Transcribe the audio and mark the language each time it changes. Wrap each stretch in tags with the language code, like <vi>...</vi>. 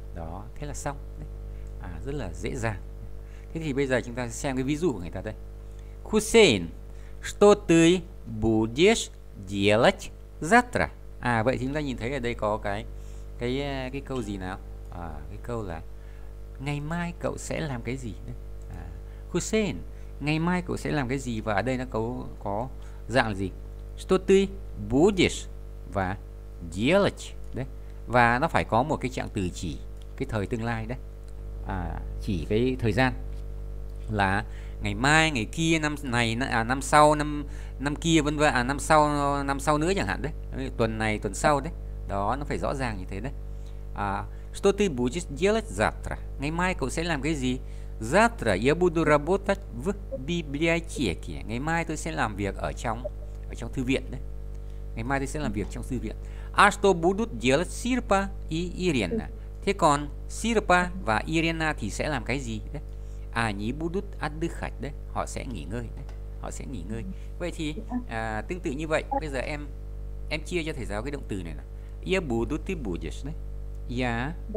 <vi>Đó, thế là xong đấy. À, rất là dễ dàng. Thế thì bây giờ chúng ta xem cái ví dụ của người ta đây.</vi> <ru>Хусейн, что ты будешь делать завтра?</ru> <vi>À, vậy thì chúng ta nhìn thấy ở đây có cái câu gì nào? À, cái câu là ngày mai cậu sẽ làm cái gì? Хусейн, ngày mai cậu sẽ làm cái gì? Và ở đây nó có dạng gì?</vi> <ru>Что ты будешь và делать đấy.</ru> <vi>Và nó phải có một cái trạng từ chỉ cái thời tương lai đấy. À, chỉ cái thời gian là ngày mai, ngày kia, năm này, năm sau, năm kia vân vân, năm sau nữa chẳng hạn đấy, tuần này, tuần sau đấy. Đó, nó phải rõ ràng như thế đấy.</vi> <ru>Что ты будешь делать завтра?</ru> <vi>Ngày mai cậu sẽ làm cái gì?</vi> <ru>Завтра я буду работать в библиотеке.</ru> <vi>Ngày mai tôi sẽ làm việc ở trong thư viện đấy. Ngày mai tôi sẽ làm việc trong thư viện.</vi> <ru>А что будут делать Sirpa и Irina?</ru> <vi>Thế còn Sirpa và Irina thì sẽ làm cái gì đấy? À, nhí budut отдыхать đấy. Họ sẽ nghỉ ngơi đấy. Họ sẽ nghỉ ngơi. Vậy thì tương tự như vậy. Bây giờ em chia cho thầy giáo cái động từ này nào.</vi> <ru>Я буду, ты будешь đấy.</ru>